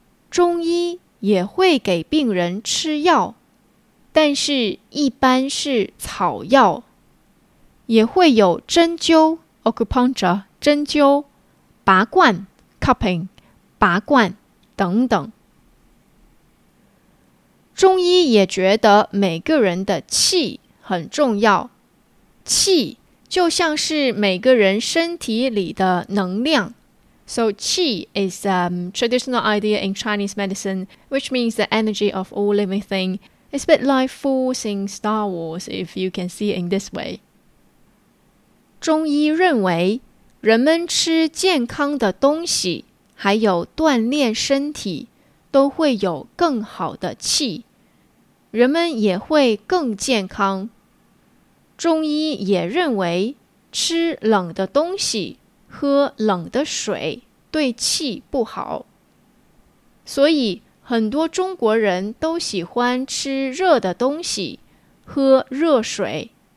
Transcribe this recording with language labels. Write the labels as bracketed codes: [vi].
[zh] 中医也会给病人吃药，但是一般是草药，也会有针灸 acupuncture， 针灸，拔罐 cupping， 拔罐等等。中医也觉得每个人的气很重要，气就像是每个人身体里的能量。 [en] So qi is a traditional idea in Chinese medicine, which means the energy of all living thing. It's a bit like force in Star Wars, if you can see it in this way. [zh] 中医认为人们吃健康的东西还有锻炼身体都会有更好的气，人们也会更健康。中医也认为吃冷的东西喝冷的水对气不好，所以很多中国人都喜欢吃热的东西喝热水。